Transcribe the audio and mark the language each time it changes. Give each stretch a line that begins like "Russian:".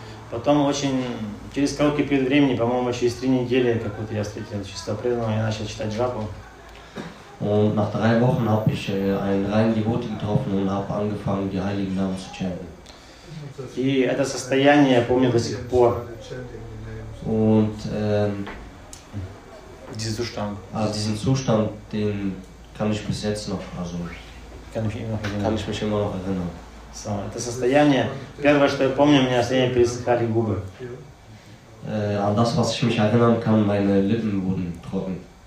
Russian: Потом очень через короткий период времени, по-моему, через 3 недели, как вот я встретил чистого преданного, я начал читать джапу.
German: Und nach 3 Wochen habe ich einen reinen Devoten getroffen und habe angefangen, die heiligen Namen zu chanten.
Russian: И это состояние я помню до сих пор.
German: Und diesen Zustand. Also diesen Zustand, den kann ich bis jetzt noch, also kann ich mich immer noch erinnern.
Russian: So, это состояние. Первое, что я помню, у меня состояние пересыхали губы.
German: An das, was ich mich erinnern kann, meine Lippen wurden trocken.